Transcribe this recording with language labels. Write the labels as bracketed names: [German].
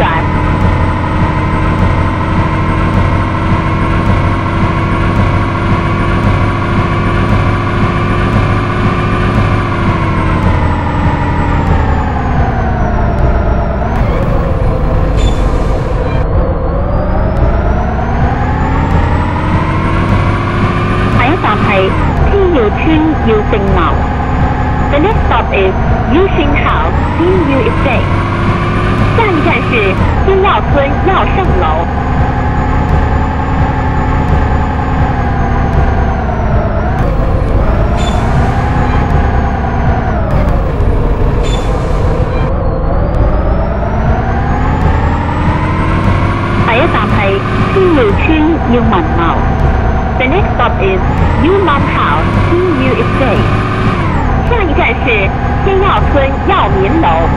[Chinese] 下一站是天耀村耀盛楼。 [English] The next stop is Yu Xing House, Yu Xing Estate. [Chinese] 下一站是金耀村耀盛楼。下一站是金耀村耀文楼。 [English] The next stop is Yu Man House, Yu Xing Estate. [Chinese] 下一站是天耀村耀民楼。